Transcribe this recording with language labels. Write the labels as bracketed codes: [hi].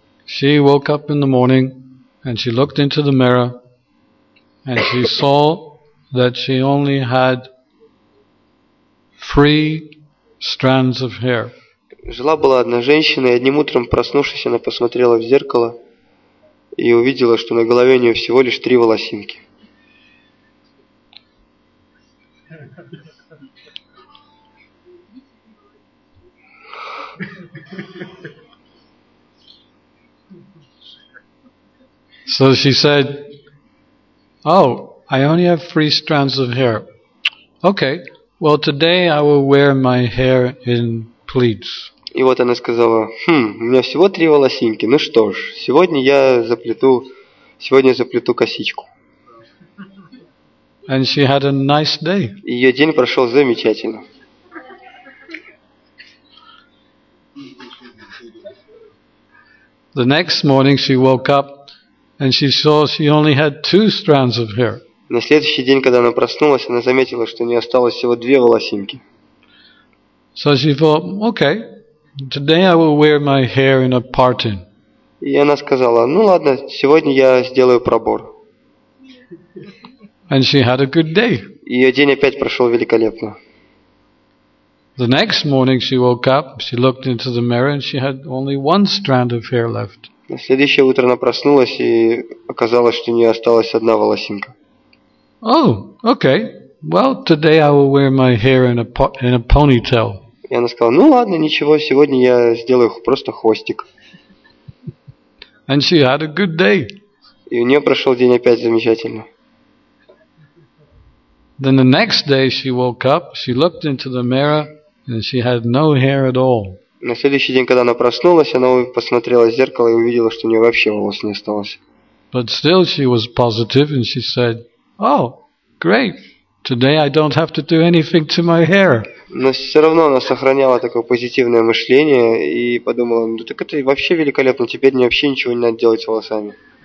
[en] She woke up in the morning and she looked into the mirror and she saw that she only had 3 strands of hair. [ru] Жила была одна женщина, и одним утром, проснувшись, она посмотрела в зеркало и увидела, что на голове у нее всего лишь 3 волосинки. [en] So she said, "Oh, I only have 3 strands of hair. Okay, well today I will wear my hair in pleats." [ru] И вот она сказала: у меня всего 3 волосинки. Ну что ж, сегодня я заплету косичку." [en] And she had a nice day. [ru] Её день прошёл замечательно. [en] The next morning she woke up and she saw she only had 2 strands of hair. [ru] На следующий день, когда она проснулась, она заметила, что у неё осталось всего 2 волосинки. [en] So she thought, "Okay, today I will wear my hair in a parting." [ru] И она сказала: "Ну ладно, сегодня я сделаю пробор." [en] And she had a good day. [ru] Её день опять прошёл великолепно. [en] The next morning she woke up, she looked into the mirror and she had only 1 strand of hair left. [ru] На следующее утро она проснулась и оказалось, что у неё осталась одна волосинка. [en] Oh, okay. Well, today I will wear my hair in a ponytail. [ru] И она сказала: "Ну ладно, ничего, сегодня я сделаю просто хвостик." [en] And she had a good day. [ru] И у неё прошёл день опять замечательно. [en] Then the next day she woke up, she looked into the mirror and she had no hair at all. [ru] На следующий день, когда она проснулась, она посмотрела в зеркало и увидела, что у неё вообще волос не осталось. [en] But still she was positive and she said, "Oh, great. Today I don't have to do anything to my hair." [ru] Но всё равно она сохраняла такое позитивное мышление и подумала: "Ну так это вообще великолепно, теперь мне вообще ничего не надо делать с волосами."